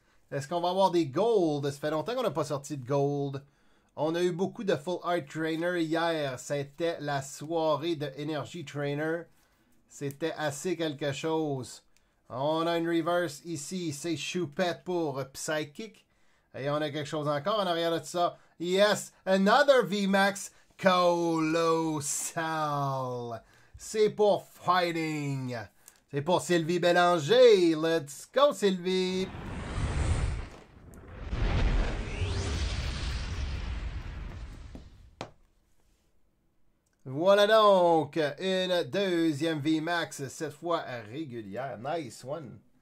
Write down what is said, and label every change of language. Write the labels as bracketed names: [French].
[French] Est-ce qu'on va avoir des gold? Ça fait longtemps qu'on n'a pas sorti de gold. On a eu beaucoup de Full Art Trainer hier. C'était la soirée de Energy Trainer. C'était assez quelque chose. On a une reverse ici. C'est Choupette pour Psychic. Et on a quelque chose encore en arrière de ça. [English] Yes, another VMAX Colossal. [French] C'est pour Fighting. C'est pour Sylvie Bélanger. [English] Let's go, Sylvie! [French] Voilà donc, une deuxième VMAX, cette fois régulière. [English] Nice one.